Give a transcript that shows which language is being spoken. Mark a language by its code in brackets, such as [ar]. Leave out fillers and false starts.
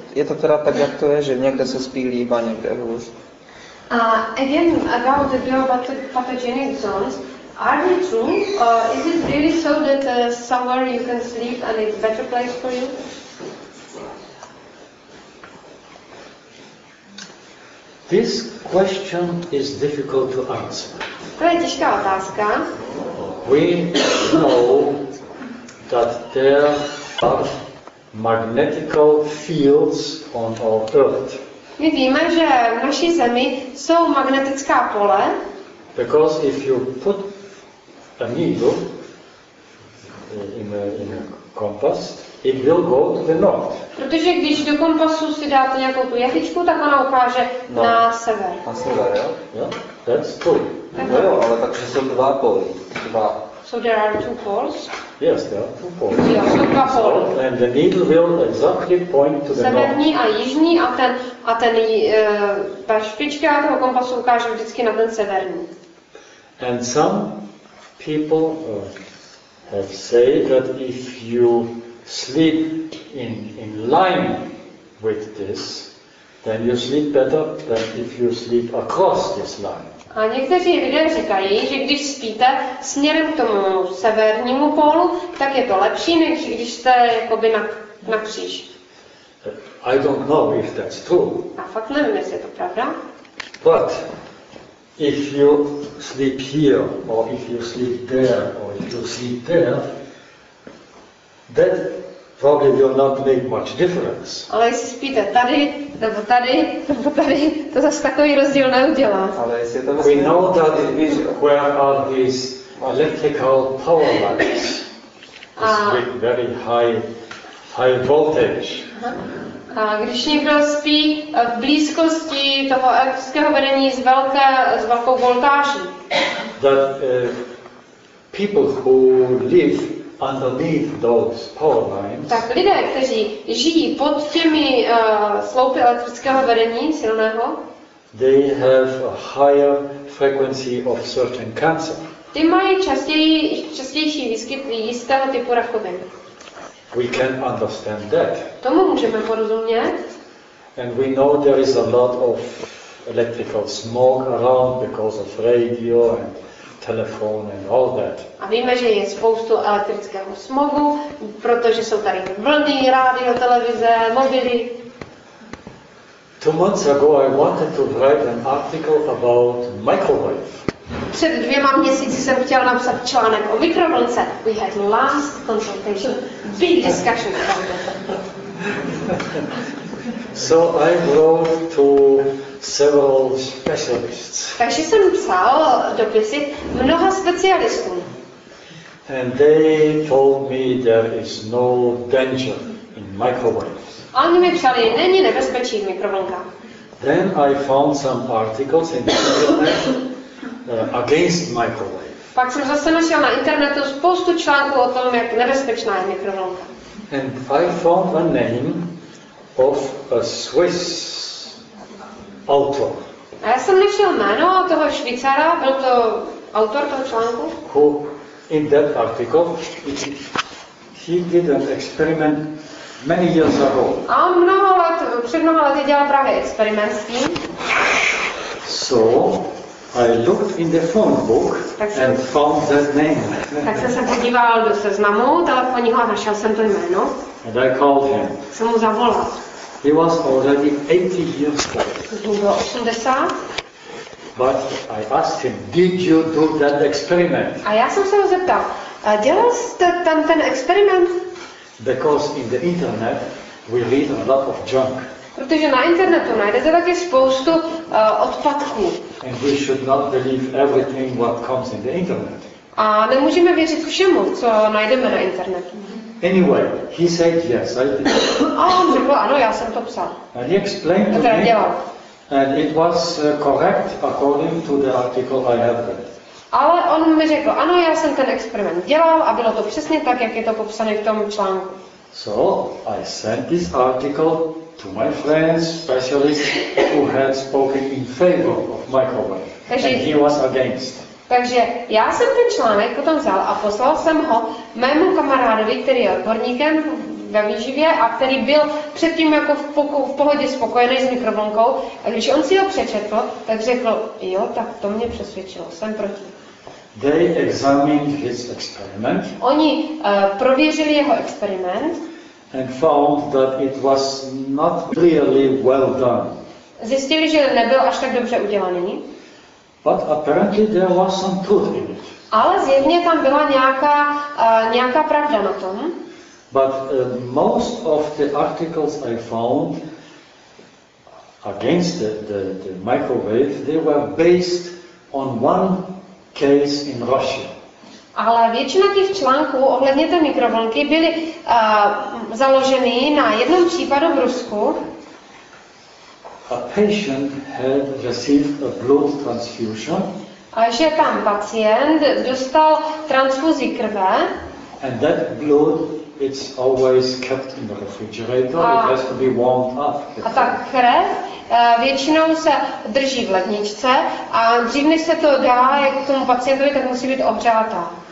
[cs] Je to teda tak, jak to je, že někde se spí líp a někde hůř? [en] Again, about the geopatogenic zones, are they true? Is it really so that somewhere you can sleep and it's a better place for you? This question is difficult to answer. [cs] To je těžká otázka. [en] We know that there are magnetical fields on our Earth. [cs] My víme, že v naší Zemi jsou magnetická pole. [en] Because if you put a needle in a compass, it will go to the north. [cs] Protože když do kompasu si dáte nějakou tu jehličku, tak ona ukáže na sever. Na sever, jo? [en] That's true. [cs] No jo, ale takže jsou dva poly. Dva. [en] So there are two poles? Yes, there are two poles. Yeah, so [cs] dva pole. [en] And the needle will exactly point to the [cs] severní [en] north. [cs] Severní a jižní a ta špička toho kompasu ukáže vždycky na ten severní. [en] And some people have said that if you sleep in line with this, then you sleep better than if you sleep across this line. [cs] A někteří lidé říkají, že když spíte směrem k tomu severnímu pólu, tak je to lepší, než když jste jakoby napříč. [en] I don't know if that's true. [cs] A fakt nevím, jestli je to pravda. [en] But if you sleep here, or if you sleep there, or if you sleep there, that probably will not make much difference. [cs] Ale jestli spíte tady, nebo tady, nebo tady, to zase takový rozdíl neudělá. [en] We know that where are these electrical power lines with very high voltage. [cs] A když někdo spí v blízkosti toho elektrického vedení s velkou voltáží. [en] That people who live underneath those power lines. [cs] Tak lidé, kteří žijí pod těmi sloupy elektrického vedení silného. [en] They have a higher frequency of certain cancer. [cs] Ty mají častější výskyt jistého typu rakoviny. [en] We can understand that. [cs] Tomu můžeme porozumět. [en] And we know there is a lot of electrical smog around because of radio and telephone and all that. [cs] A víme, že je spoustu elektrického smogu, protože jsou tady vlny, rádio, televize, mobily. [en] 2 months ago I wanted to write an article about microwave. [cs] Před 2 měsíci jsem chtěl napsat článek o mikrovlnce. [en] We had last consultation, big discussion about that. So I wrote to several specialists. [cs] Takže jsem psal dopisy mnoha specialistů. [en] And they told me there is no danger in microwaves. [cs] A oni mi psali, není nebezpečí v mikrovlnkách. [en] Then I found some articles in the internet. Against microwave. [cs] Pak jsem zase našel na internetu spoustu článků o tom, jak nebezpečná je mikrovlnka. [en] And I found a name of a Swiss author. [cs] A já jsem našel jméno toho Švýcara, byl to autor toho článku. [en] Who in that article he did an experiment Many years ago. [cs] A mnoho let, před mnoho lety dělal právě experiment s tím. [en] So, I looked in the phone book and found that name. [cs] Tak jsem se podíval do seznamu telefonního a našel jsem to jméno. [en] And I called him. [cs] Jsem mu zavolal. [en] He was already 80 years old. [cs] Už byl 80. [en] But I asked him, did you do that experiment? [cs] A já jsem se ho zeptal, dělal jste ten experiment? [en] Because in the internet we read a lot of junk. [cs] Protože na internetu najdete taky spoustu odpadků. [en] And we should not believe everything what comes in the internet. [cs] A nemůžeme věřit všemu, co najdeme na internetu. [en] Anyway, he said yes, I did. [cs] A on řekl, ano, já jsem to psal. [en] And he explained to me. And it was correct according to the article I have read. [cs] Ale on mi řekl, ano, já jsem ten experiment dělal a bylo to přesně tak, jak je to popsané v tom článku. [en] So, I sent this article to my friends, specialists who had spoken in favor of microwave. [cs] Takže, [en] and he was against. [cs] Takže já jsem ten článek potom vzal a poslal jsem ho mému kamarádovi, který je odborníkem ve výživě a který byl předtím jako v pohodě spokojený s mikrovlnkou. A když on si ho přečetl, tak řekl, jo, tak to mě přesvědčilo, jsem proti. [en] They examined his experiment. [cs] Oni prověřili jeho experiment. [en] And found that it was not really well done. [cs] Zjistili, že nebyl až tak dobře udělaný. [en] But apparently there was some truth in it. [cs] Ale zjevně tam byla nějaká pravda na tom. [en] But most of the articles I found against the microwave, they were based on one case in Russia. [cs] Ale většina těch článků ohledně té mikrovlnky byly založeny na jednom případu v Rusku. [en] A patient had received a blood transfusion. [cs] A že tam pacient dostal transfuzi krve. [en] And that blood, it's always kept in the refrigerator. It has to be warmed up. [cs] A ta krev většinou se drží v ledničce a dřív než se to dá jak tomu pacientovi, tak musí být ohřátá.